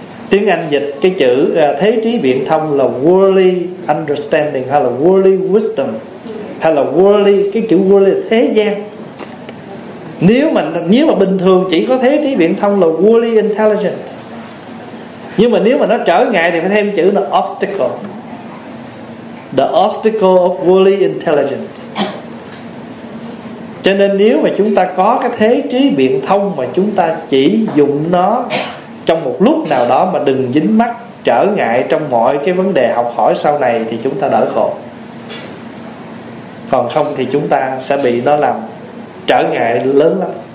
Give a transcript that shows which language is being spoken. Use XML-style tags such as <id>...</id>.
<vi>Tiếng Anh dịch cái chữ thế trí biện thông là</vi> <en>worldly understanding,</en> <vi>hay là</vi> <en>worldly wisdom,</en> <vi>hay là worldly, cái chữ worldly là thế gian. Nếu mà bình thường chỉ có thế trí biện thông là</vi> <en>worldly intelligent,</en> <vi>nhưng mà nếu mà nó trở ngại thì phải thêm chữ là obstacle.</vi> <en>The obstacle of worldly intelligent.</en> <vi>Cho nên nếu mà chúng ta có cái thế trí biện thông mà chúng ta chỉ dùng nó trong một lúc nào đó mà đừng dính mắc trở ngại trong mọi cái vấn đề học hỏi sau này thì chúng ta đỡ khổ. Còn không thì chúng ta sẽ bị nó làm trở ngại lớn lắm.</vi>